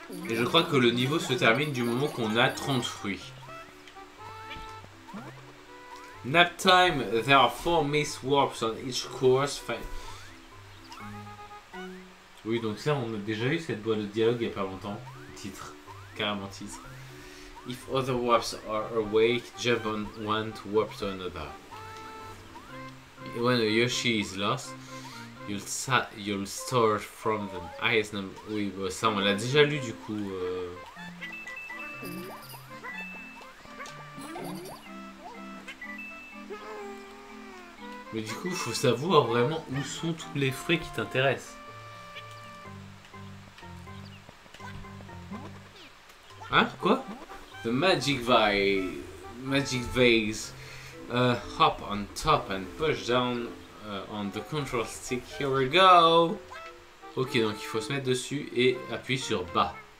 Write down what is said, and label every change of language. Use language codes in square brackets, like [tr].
[fr] Et je crois que le niveau se termine du moment qu'on a 30 fruits. [en] Nap time, there are 4 miss warps on each course. [fr] Oui, donc ça, on a déjà eu cette boîte de dialogue il n'y a pas longtemps. Titre, carrément titre. [en] If other warps are awake, jump on one to warp to another. When a Yoshi is lost, you'll start from the highest number. [fr] Oui, bah ça on l'a déjà lu du coup. Mais du coup, faut savoir vraiment où sont tous les fruits qui t'intéressent. Hein? Quoi? [en] The magic vase. Hop on top and push down on the control stick. Here we go. [fr] Ok, donc il faut se mettre dessus et appuyer sur bas.